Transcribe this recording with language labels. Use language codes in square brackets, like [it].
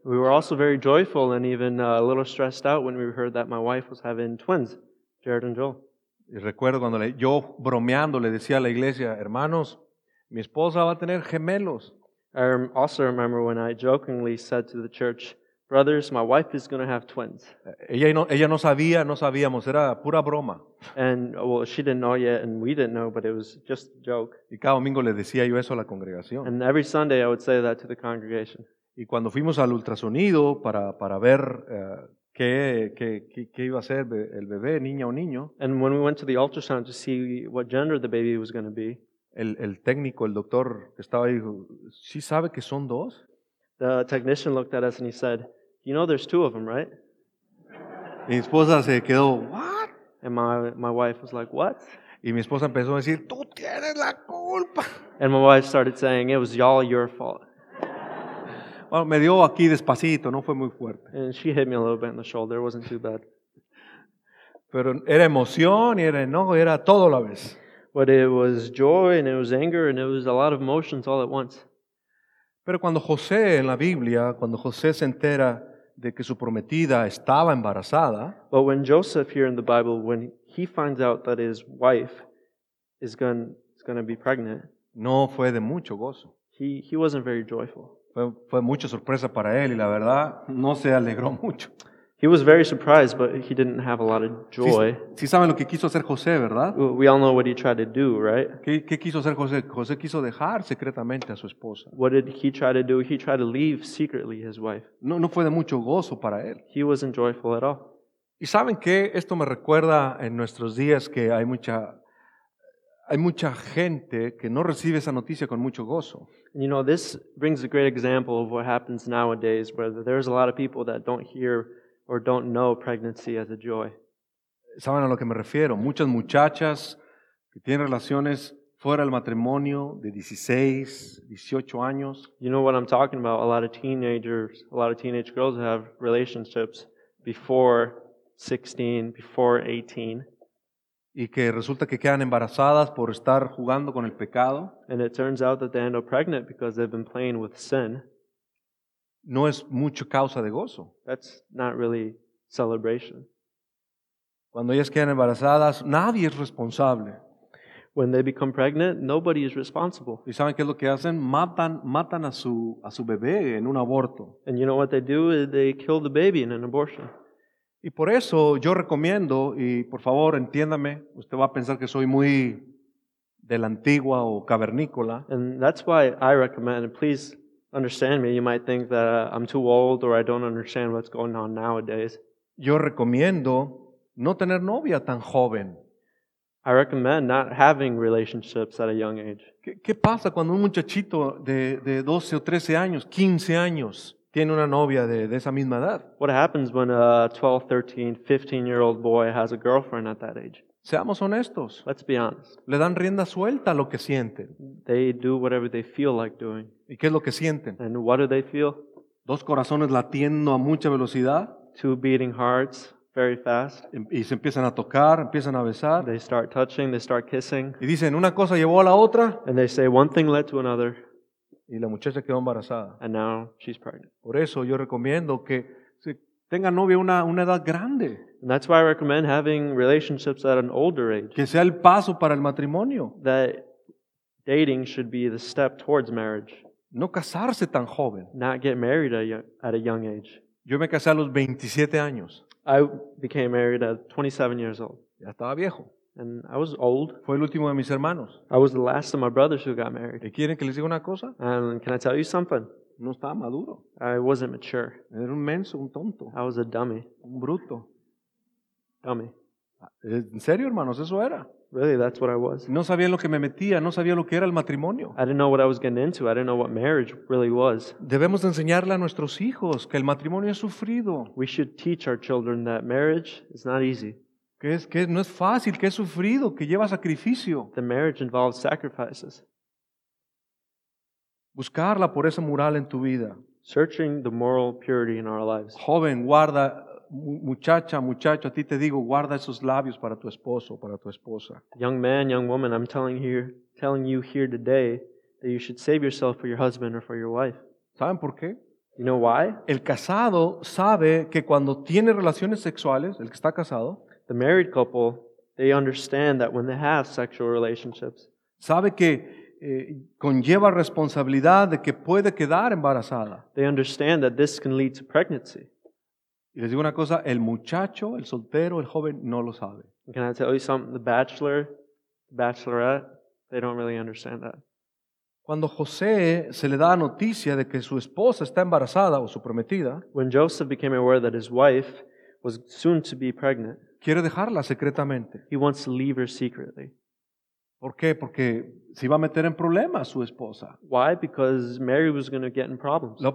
[en] We were also very joyful and even a little stressed out when we heard that my wife was having twins, Jared and Joel. [es] Y recuerdo cuando yo bromeando le decía a la iglesia, hermanos, mi esposa va a tener gemelos. [en] I also remember when I jokingly said to the church, brothers, my wife is going to have twins. [es] Ella no sabíamos, era pura broma. [en] And well, she didn't know yet, and we didn't know, but it was just a joke. [es] Y cada domingo le decía yo eso a la congregación. [en] And every Sunday I would say that to the congregation. [es] Y cuando fuimos al ultrasonido para ver qué iba a ser el bebé, niña o niño. [en] And when we went to the ultrasound to see what gender the baby was going to be. [es] El técnico, el doctor que estaba ahí, dijo, ¿sí sabe que son dos? [en] The technician looked at us and he said, you know there's two of them, right? [es] Y mi esposa se quedó, [en] what? And my wife was like, what? [es] Y mi esposa empezó a decir, tú tienes la culpa. [en] And my wife started saying, it was all your fault. [es] Bueno, me dio aquí despacito, no fue muy fuerte. [en] And she hit me a little bit in the shoulder, it wasn't too bad. [es] Pero era emoción y era enojo, era todo a la vez. [en] But it was joy and it was anger and it was a lot of emotions all at once. [es] Pero cuando José en la Biblia, cuando José se entera de que su prometida estaba embarazada, [en] but when Joseph here in the Bible, when he finds out that his wife is going to be pregnant, [es] no fue de mucho gozo. [en] He wasn't very joyful. [es] Fue mucha sorpresa para él y la verdad no se alegró mucho. [en] He was very surprised, but he didn't have a lot of joy. [es] Sí, sí saben lo que quiso hacer José, ¿verdad? [en] We all know what he tried to do, right? [es] ¿Qué quiso hacer José? José quiso dejar secretamente a su esposa. [en] What did he try to do? He tried to leave secretly his wife. [es] No fue de mucho gozo para él. [en] He wasn't joyful at all. [es] ¿Y saben qué? Esto me recuerda en nuestros días que hay mucha gente que no recibe esa noticia con mucho gozo. [en] You know, this brings a great example of what happens nowadays, where there's a lot of people that don't hear or don't know pregnancy as a joy. [es] ¿Saben a lo que me refiero? Muchas muchachas que tienen relaciones fuera del matrimonio de 16, 18 años. [en] You know what I'm talking about? A lot of teenagers, a lot of teenage girls have relationships before 16, before 18. [es] Y que resulta que quedan embarazadas por estar jugando con el pecado. [en] And it turns out that they end up pregnant because they've been playing with sin. [es] No es mucho causa de gozo. [en] That's not really celebration. [es] Cuando ellas quedan embarazadas, nadie es responsable. [en] When they become pregnant, nobody is responsible. [es] ¿Y saben qué es lo que hacen? Matan a su bebé en un aborto. [en] And you know what they do? They kill the baby in an abortion. [es] Y por eso yo recomiendo, y por favor entiéndame, usted va a pensar que soy muy de la antigua o cavernícola. [en] And that's why I recommend, please understand me, you might think that I'm too old or I don't understand what's going on nowadays. [es] Yo recomiendo no tener novia tan joven. [en] I recommend not having relationships at a young age. [es] ¿Qué pasa cuando un muchachito de 12 o 13 años, 15 años, tiene una novia de esa misma edad? [en] What happens when a 12, 13, 15-year-old boy has a girlfriend at that age? [es] Seamos honestos. [en] Let's be honest. [es] Le dan rienda suelta a lo que sienten. [en] They do whatever they feel like doing. [es] ¿Y qué es lo que sienten? [en] And what do they feel? [es] Dos corazones latiendo a mucha velocidad. [en] Two beating hearts, very fast. [es] Y se empiezan a tocar, empiezan a besar. [en] They start touching, they start kissing. [es] Y dicen, una cosa llevó a la otra. [en] And they say, one thing led to another. [es] Y la muchacha quedó embarazada. [en] And now she's pregnant. [es] Por eso yo recomiendo que tenga novia a una edad grande. [en] And that's why I recommend having relationships at an older age. [es] Que sea el paso para el matrimonio. [en] That dating should be the step towards marriage. [es] No casarse tan joven. [en] Not get married at a young age. [es] Yo me casé a los 27 años. [en] I became married at 27 years old. [es] Ya estaba viejo. [en] And I was old. [es] Fue el último de mis hermanos. [en] I was the last of my brothers who got married. [es] ¿Y quieren que les diga una cosa? [en] And can I tell you something? [es] No estaba maduro. [en] I wasn't mature. [es] Era un menso, un tonto. [en] I was a dummy. [es] Un bruto. [en] Dummy. [es] En serio, hermanos, eso era. [en] Really, that's what I was. [es] No sabía lo que me metía, no sabía lo que era el matrimonio. [en] I didn't know what I was getting into. I didn't know what marriage really was. [es] Debemos de enseñarle a nuestros hijos que el matrimonio es sufrido. [en] We should teach our children that marriage is not easy. [es] Que no es fácil, que es sufrido, que lleva sacrificio. [en] The marriage involves sacrifices. [es] Buscar la pureza moral en tu vida. [en] Searching the moral purity in our lives. [es] Joven, guarda. Muchacha, muchacho, a ti te digo, guarda esos labios para tu esposo, para tu esposa. [en] Young man, young woman, I'm telling you here today that you should save yourself for your husband or for your wife. [es] ¿Saben por qué? [en] You know why? [es] El casado sabe que cuando tiene relaciones sexuales, el que está casado, [en] the married couple, they understand that when they have sexual relationships, [es] sabe que conlleva responsabilidad de que puede quedar embarazada. [en] They understand that this can lead to pregnancy. [es] Y les digo una cosa, el muchacho, el soltero, el joven, no lo sabe. [en] Can I tell you something? The bachelor, the bachelorette, they don't really understand that. [es] Cuando José se le da noticia de que su esposa está embarazada o su prometida, [en] when Joseph became aware that his wife was soon to be pregnant, [es] quiere dejarla secretamente. [en] He wants to leave her secretly. [es] ¿Por qué? Porque se iba a meter en problemas su esposa. [en] Why? Because Mary was going to get in problems.